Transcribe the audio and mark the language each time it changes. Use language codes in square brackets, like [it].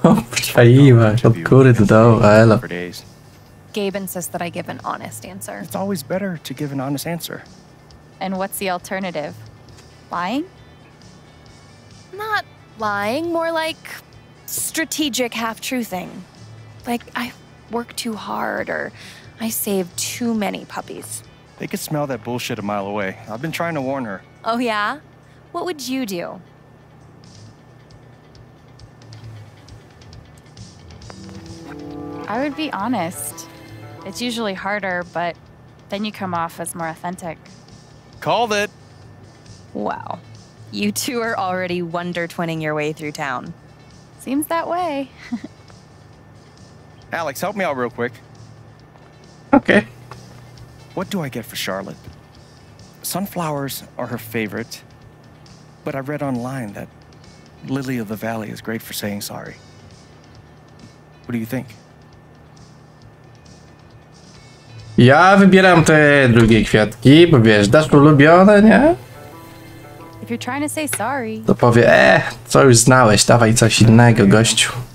[pl] Przaiła, od góry do dołu, hello. [en] Gabe insists that I give an honest answer. It's always better to give an honest answer. And what's the alternative? Lying? Not lying, more like strategic half-truthing. Like, I work too hard or I save too many puppies. They could smell that bullshit a mile away. I've been trying to warn her. Oh yeah? What would you do? I would be honest. It's usually harder, but then you come off as more authentic. Called it! Wow. You two are already wonder-twinning your way through town. Seems that way. Alex, help me out real quick. Okay. What do I get for Charlotte? Sunflowers are her favorite, but I read online that Lily of the Valley is great for saying sorry. What do you think? [pl] Ja wybieram te drugie kwiatki, bo wiesz, dasz ulubione, nie? [en] If you're trying to say sorry. [pl] To powie, co już znałeś, dawaj coś innego, gościu.